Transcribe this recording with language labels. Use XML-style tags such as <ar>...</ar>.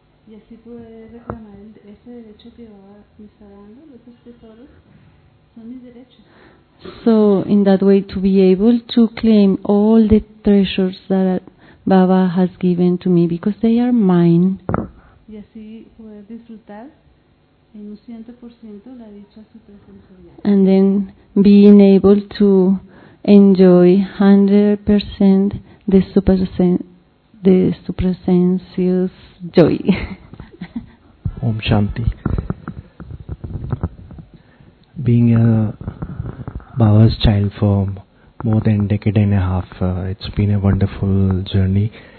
<es>Y así poder reclamar ese derecho que me está dando, los escritores.</es> <en>So in that way to be able to claim all the treasures that Baba has given to me because they are mine.</en> <es>Y así poder disfrutar en un 100% la dicha supersensorial.</es> <en>And then being able to enjoy 100% the supersensuous joy.</en> <sa>Om Shanti.</sa> <en>Being a Baba's child for more than a decade and a half, it's been a wonderful journey.</en>